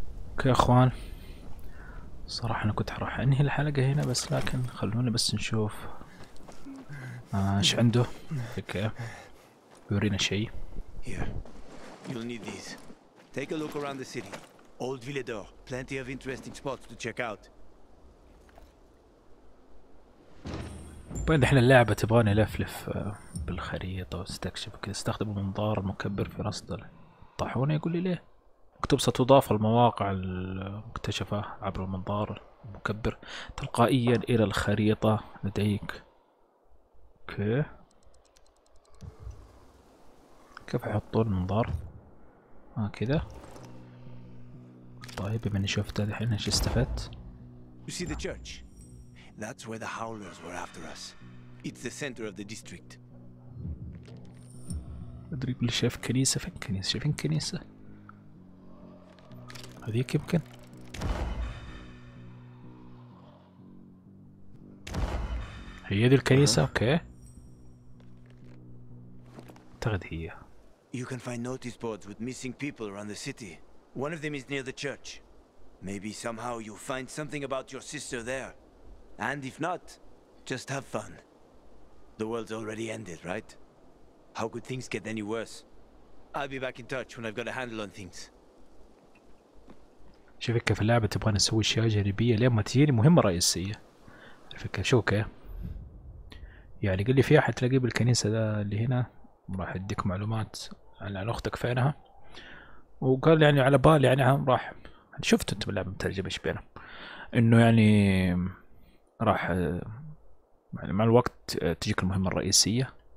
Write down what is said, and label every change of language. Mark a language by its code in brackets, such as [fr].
[ar] اوكي يا اخوان. صراحة انا كنت راح انهي الحلقة هنا بس لكن خلونا بس نشوف ايش عنده. اوكي. يورينا شيء. [en] Here. You'll need these. Take a look around the city. Old Villador. Plenty of interesting spots to check out. [ar] بين دحين اللعبة تبغاني لفلف بالخريطة واستكشف كذا. استخدم المنظار المكبر في رصد الطاحونة. يقول لي ليه؟ مكتوب ستضاف المواقع المكتشفة عبر المنظار المكبر تلقائيا إلى الخريطة لديك. اوكي. كيف احطون المنظار؟ كذا. طيب بما اني شفت الحين ايش استفدت؟ [en] You see the church? That's where the howlers were after us. It's the center of the district. [ar] ادري بلي شايف كنيسة. فين كنيسة؟ فين كنيسة؟ هذيك يمكن. هي دي الكنيسة. اوكي اعتقد هي. [en] You can find notice boards with missing people around the city. One of them is near the church. Maybe somehow you'll find something about your sister there. And if not, just have fun. The world's already ended, right? How could things get any worse? I'll be back in touch when I've got a handle on things. [ar] شوف كيف اللعبة تبغى نسوي أشياء جانبية لين ما تجيني مهمة رئيسية. الفكرة شو كيف؟ يعني قل لي في أحد تلاقيه بالكنيسة ده اللي هنا، راح أديك معلومات عن أختك فينها. وقال يعني على بال يعني راح شفت أنت باللعبة مترجم إيش بينهم، إنه يعني راح يعني مع الوقت تجيك المهمة الرئيسية.